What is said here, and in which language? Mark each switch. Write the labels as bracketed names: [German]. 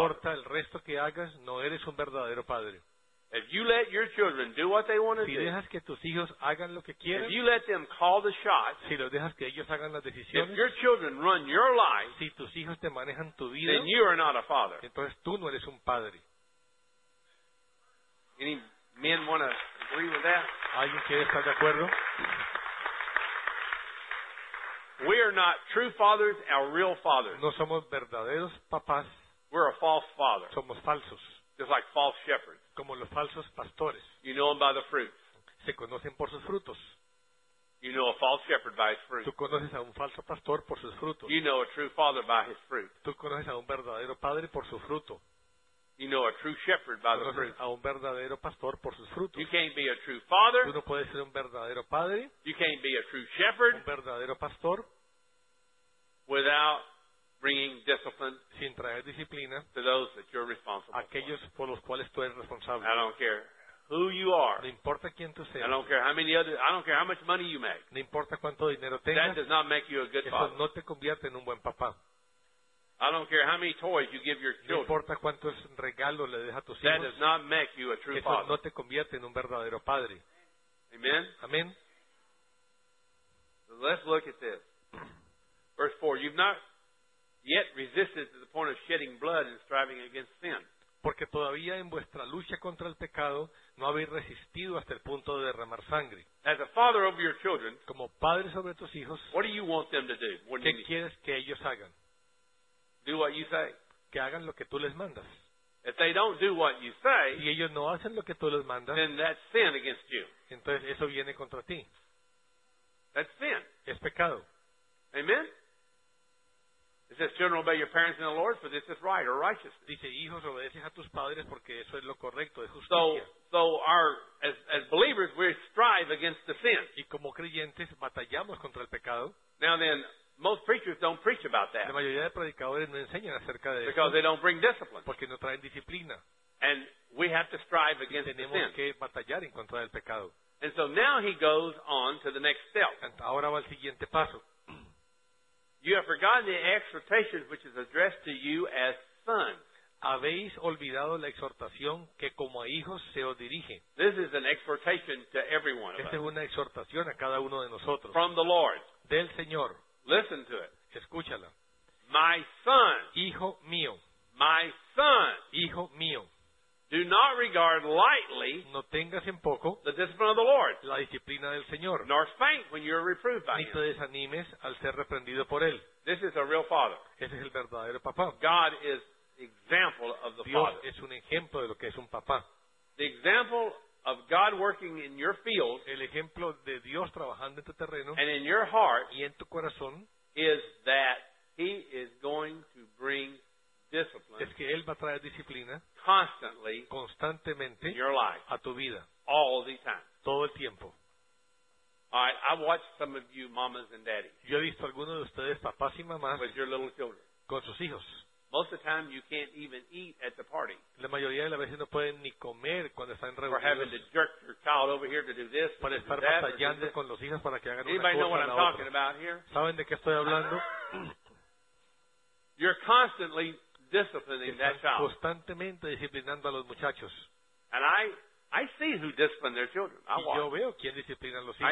[Spanish] No importa el resto que hagas, no eres un verdadero padre. [English] If you let your children do what they want to [Spanish] si dejas [English] do, [Spanish] que tus hijos hagan lo que quieren, [English] if you let them call the shots, [Spanish] si los dejas que ellos hagan las decisiones, [English] if your children run your life, [Spanish] si tus hijos te manejan tu vida, [English] then you are not a father. [Spanish] Entonces tú no eres un padre. [English] Any men want to agree with that? [Spanish] ¿Alguien quiere estar de acuerdo? [English] We are not true fathers, our real fathers. [Spanish] No somos verdaderos papás. [English] We're a false father. [Spanish] Somos falsos. [English] Just like false shepherds. [Spanish] Como los falsos pastores. [English] You know them by the fruits. [Spanish] Se conocen por sus frutos. [English] You know a false shepherd by his fruits. [Spanish] Tú conoces a un falso pastor por sus frutos. [English] You know a true father by his fruit. [Spanish] Tú conoces a un verdadero padre por su fruto. [English] You know a true shepherd by [Spanish] conoces [English] the fruits. [Spanish] A un verdadero pastor por sus frutos. [English] You can't be a true father. [Spanish] Tú no puedes ser un verdadero padre. [English] You can't be a true shepherd. [Spanish] Un verdadero pastor. [English] Without bringing discipline [Spanish] sin traer disciplina [English] to those that you're responsible [Spanish] aquellos [English] for. [Spanish] Por los cuales tú eres responsable. [English] I don't care who you are. [Spanish] No importa quién tú seas. [English] I don't care how many others. I don't care how much money you make. [Spanish] No importa cuánto dinero tengas. [English] That does not make you a good [Spanish] eso [English] father. [Spanish] No te convierte en un buen papá. [English] I don't care how many toys you give your children. [Spanish] No importa cuántos regalos le dejas a tus [English] that [Spanish] hijos. [English] That does not make you a true [Spanish] eso [English] father. [Spanish] No te convierte en un verdadero padre. [English] Amen. Amen. So let's look at this. Verse 4. You've not yet resisted to the point of shedding blood and striving against sin. [Spanish] Porque todavía en vuestra lucha contra el pecado no habéis resistido hasta el punto de derramar sangre. [English] As a father over your children, [Spanish] como padre sobre tus hijos, [English] what do you want them to do? [Spanish] ¿Qué quieres que ellos hagan? [English] Do what you say. [Spanish] Que hagan lo que tú les mandas. [English] If they don't do what you say, [Spanish] si ellos no hacen lo que tú les mandas, [English] then that's sin against you. [Spanish] Entonces eso viene contra ti. [English] That's sin. [Spanish] Es pecado. [English] Amen. It says, children, obey your parents in the Lord, for this is right or righteousness. [Spanish] Dice, hijos, obedeces a tus padres porque eso es lo correcto, es justicia. [English] So our, as believers, we strive against the sin. [Spanish] Y como creyentes, batallamos contra el pecado. [English] Now then, most preachers don't preach about that. [Spanish] La mayoría de predicadores no enseñan acerca de eso. [English] Because they don't bring discipline. [Spanish] Porque no traen disciplina. [English] And we have to strive against the sin. [Spanish] Tenemos que batallar en contra del pecado. [English] And so now he goes on to the next step. [Spanish] Ahora va al siguiente paso. [English] You have forgotten the exhortation which is addressed to you as sons. [Spanish] Habéis olvidado la exhortación que como a hijos se os dirige. [English] This is an exhortation to every one of us. [Spanish] Esta es una exhortación a cada uno de nosotros. [English] From the Lord. [Spanish] Del Señor. [English] Listen to it. [Spanish] Escúchala. [English] My son. [Spanish] Hijo mío. [English] My son. [Spanish] Hijo mío. [English] Do not regard lightly [Spanish] no tengas en poco [English] the discipline of the Lord, [Spanish] la disciplina del Señor, [English] nor faint when you are reproved by [Spanish] ni te desanimes al ser reprendido por él. [English] This is a real father. [Spanish] Ese es el verdadero papá. [English] God is example of the [Spanish] Dios [English] father. [Spanish] Es un ejemplo de lo que es un papá. [English] The example of God working in your field, [Spanish] el ejemplo de Dios trabajando en tu terreno, [English] and in your heart, [Spanish] y en tu corazón, [English] is that he is going to bring [Spanish] es que él va a traer disciplina [English] constantly [Spanish] constantemente [English] in your life, [Spanish] a tu vida [English] all the time. [Spanish] Todo el tiempo. [English] All right, I watched some of you mamas and daddies. [Spanish] Yo he visto algunos de ustedes papás y mamás [English] with your little children. [Spanish] Con sus hijos. [English] Most of the time you can't even eat at the party. [Spanish] La mayoría de las veces no pueden ni comer cuando están reunidos. [English] For having to jerk your child over here to do this. [Spanish] Para estar batallando con los hijos para que hagan [English] anybody [Spanish] una cosa [English] know what [Spanish] a la [English] I'm [Spanish] otra. [English] Talking about here? [Spanish] ¿Saben de qué estoy hablando? [English] You're constantly disciplining that child. [Spanish] Constantemente disciplinando a los muchachos. [English] And I see who discipline their children. I watch. [Spanish] Yo veo quién disciplina a los hijos.